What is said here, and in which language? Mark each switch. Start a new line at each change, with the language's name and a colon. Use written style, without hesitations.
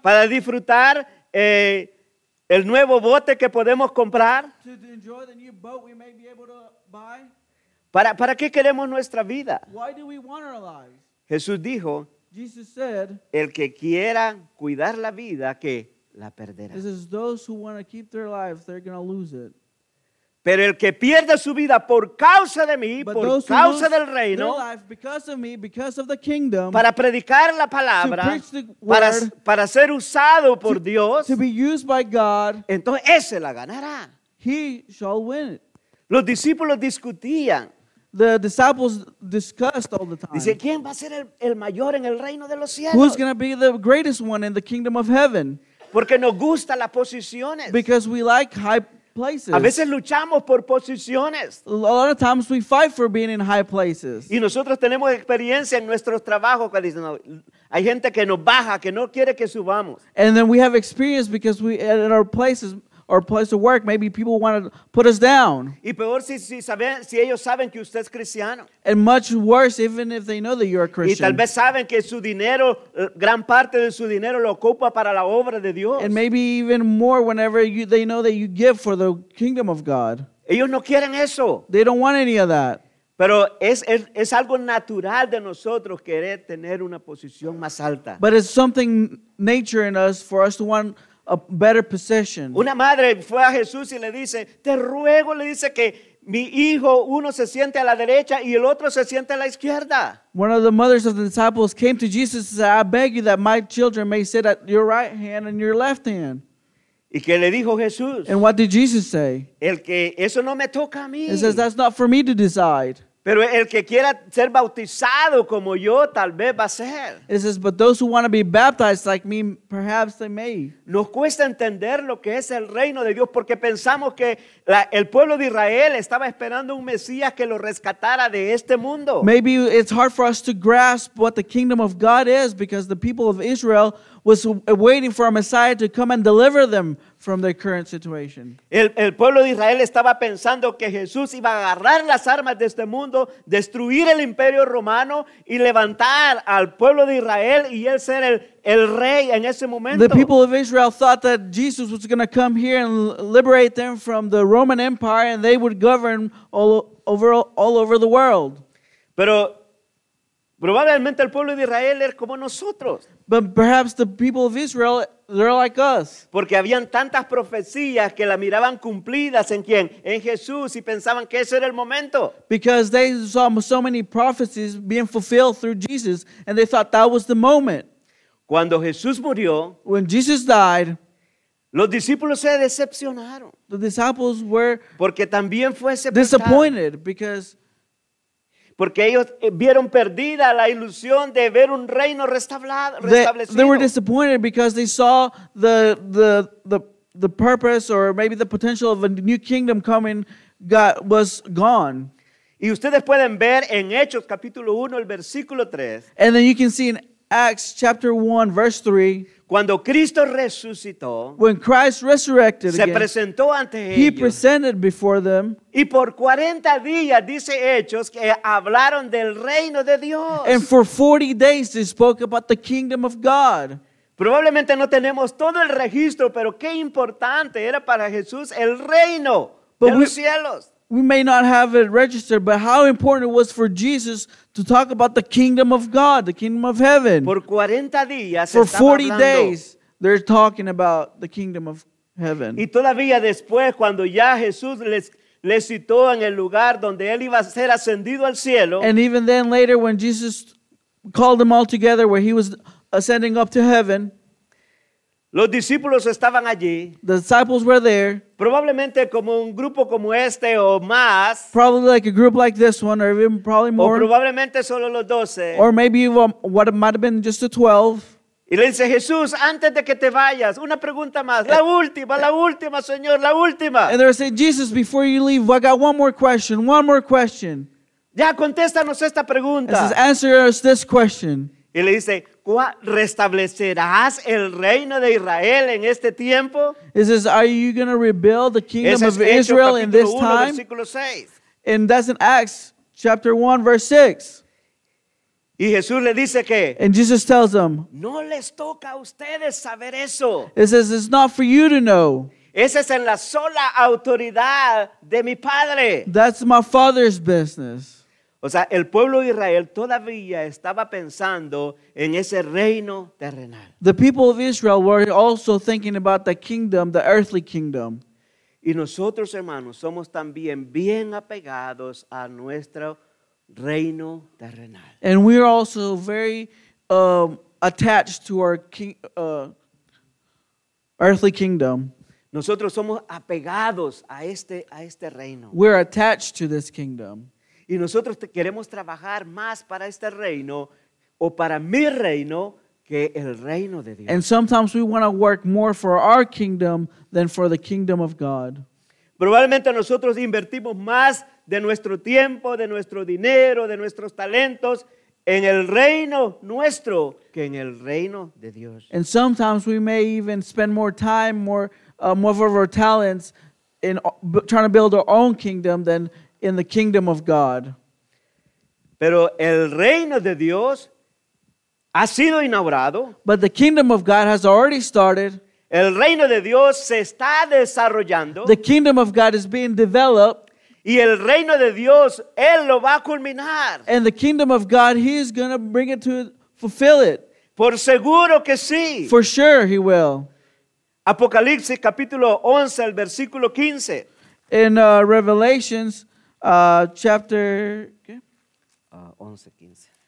Spanish: ¿Para disfrutar el nuevo bote que podemos comprar?
English: To enjoy the new boat we may be able to buy?
Spanish: ¿Para qué queremos nuestra vida?
English: Why do we want our lives?
Spanish: Jesús dijo,
English: Jesus said,
Spanish: el que quiera cuidar la vida, que la perderá.
English: This is those who want to keep their lives, they're going to lose it.
Spanish: Pero el que pierde su vida por causa de mí,
English: but
Spanish: por causa del reino,
English: of me, of the kingdom,
Spanish: para predicar la palabra, para ser usado por Dios,
English: to be used by God,
Spanish: entonces ese la ganará.
English: He shall win it.
Spanish: Los discípulos discutían.
English: The disciples discussed all the time.
Spanish: Dice, ¿quién va a ser el mayor en el reino de los cielos?
English: Who's going to be the greatest one in the kingdom of heaven?
Spanish: Porque nos gusta las posiciones.
English: Because we like high places.
Spanish: A veces luchamos por posiciones.
English: A lot of times we fight for being in high places.
Spanish: Y nosotros tenemos experiencia en nuestros trabajos que dicen, no, hay gente que nos baja, que no quiere que subamos.
English: And then we have experience because we at our places or place of work, maybe people want to put us down.
Spanish: Y peor si ellos saben que usted es cristiano.
English: And much worse, even if they know that you're a Christian.
Spanish: Y tal vez saben que su dinero, gran parte de su dinero lo ocupa para la obra de Dios.
English: And maybe even more whenever they know that you give for the kingdom of God.
Spanish: Ellos no quieren eso.
English: They don't want any of that.
Spanish: Pero es algo natural de nosotros querer tener una posición más alta.
English: But it's something nature in us for us to want a better position.
Spanish: Una madre fue a Jesús y le dice, te ruego, le dice, que mi hijo, uno se siente a la derecha y el otro se siente a la izquierda.
English: One of the mothers of the disciples came to Jesus and said, I beg you that my children may sit at your right hand and your left hand.
Spanish: ¿Y qué le dijo Jesús?
English: And what did Jesus say?
Spanish: El que, eso no me toca a mí.
English: He says, that's not for me to decide.
Spanish: Pero el que quiera ser bautizado como yo, tal vez va a ser.
English: It says, but those who want to be baptized like me, perhaps they may.
Spanish: Nos cuesta entender lo que es el reino de Dios porque pensamos que el pueblo de Israel estaba esperando un Mesías que lo rescatara de este mundo.
English: Maybe it's hard for us to grasp what the kingdom of God is because the people of Israel was waiting for a Messiah to come and deliver them from their current situation.
Spanish: El pueblo de Israel estaba pensando que Jesús iba a agarrar las armas de este mundo, destruir el imperio romano y levantar al pueblo de Israel y él ser el rey en ese momento.
English: The people of Israel thought that Jesus was going to come here and liberate them from the Roman Empire and they would govern all over the world.
Spanish: Pero probablemente el pueblo de Israel era como nosotros.
English: But perhaps the people of Israel, they're like us.
Spanish: Porque habían tantas profecías que la miraban cumplidas en quién? En Jesús, y pensaban que ese era el momento.
English: Because they saw so many prophecies being fulfilled through Jesus, and they thought that was the moment.
Spanish: Cuando Jesús murió,
English: when Jesus died,
Spanish: los discípulos se decepcionaron.
English: The disciples were
Spanish: porque también fue sepultado.
English: Disappointed because
Spanish: porque ellos vieron perdida la ilusión de ver un reino restablado.
English: They were disappointed because they saw the purpose or maybe the potential of a new kingdom coming was gone.
Spanish: Y ustedes pueden ver en Hechos capítulo 1 el versículo 3.
English: And then you can see in Acts chapter 1 verse 3.
Spanish: Cuando Cristo resucitó,
English: when Christ resurrected
Spanish: se presentó ante
English: he
Spanish: ellos.
English: He presented before them.
Spanish: Y por 40 días, dice Hechos, que hablaron del reino de Dios.
English: And for 40 days they spoke about the kingdom of God.
Spanish: Probablemente no tenemos todo el registro, pero qué importante era para Jesús el reino
English: but
Spanish: de los cielos.
English: We may not have it registered, but how important it was for Jesus to talk about the kingdom of God, the kingdom of heaven.
Spanish: Por 40 días
English: for 40
Spanish: hablando.
English: Days, they're talking about the kingdom of heaven.
Spanish: Y todavía después, cuando ya Jesús les citó en el lugar donde él iba a ser ascendido al cielo.
English: And even then later, when Jesus called them all together where he was ascending up to heaven.
Spanish: Los discípulos estaban allí.
English: The disciples were there.
Spanish: Probablemente como un grupo como este o más.
English: Probably like a group like this one or even probably more.
Spanish: O probablemente solo los 12.
English: Or maybe what it might have been just the 12.
Spanish: Y le dice Jesús, antes de que te vayas, una pregunta más. La última, Señor, la última.
English: And they're saying, Jesus, before you leave, I got one more question.
Spanish: Ya, contéstanos esta pregunta.
English: And says, answer us this question.
Spanish: Y le dice, ¿restablecerás el reino de Israel en este tiempo?
English: It says, are you going to rebuild the kingdom
Spanish: es
English: of Israel in this time? And that's in Acts chapter 1, verse 6.
Spanish: Y Jesús le dice que,
English: and Jesus tells them,
Spanish: no les toca a ustedes saber eso.
English: It says, it's not for you to know.
Spanish: Esa es en la sola autoridad de mi padre.
English: That's my father's business.
Spanish: O sea, el pueblo de Israel todavía estaba pensando en ese reino terrenal.
English: The people of Israel were also thinking about the kingdom, the earthly kingdom.
Spanish: Y nosotros, hermanos, somos también bien apegados a nuestro reino terrenal.
English: And we are also very attached to our earthly kingdom.
Spanish: Nosotros somos apegados a este reino.
English: We're attached to this kingdom.
Spanish: Y nosotros queremos trabajar más para este reino o para mi reino que el reino de Dios.
English: And sometimes we want to work more for our kingdom than for the kingdom of God.
Spanish: Probablemente nosotros invertimos más de nuestro tiempo, de nuestro dinero, de nuestros talentos en el reino nuestro que en el reino de Dios.
English: And sometimes we may even spend more time, more of our talents in trying to build our own kingdom than in the kingdom of God.
Spanish: Pero el reino de Dios ha sido inaugurado.
English: But the kingdom of God has already started.
Spanish: El reino de Dios se está desarrollando.
English: The kingdom of God is being developed.
Spanish: Y el reino de Dios, él lo va a culminar.
English: And the kingdom of God, he is going to bring it to fulfill it.
Spanish: Por seguro que sí.
English: For sure he will.
Spanish: Apocalipsis capítulo 11, el versículo 15.
English: In Revelations chapter 11:15.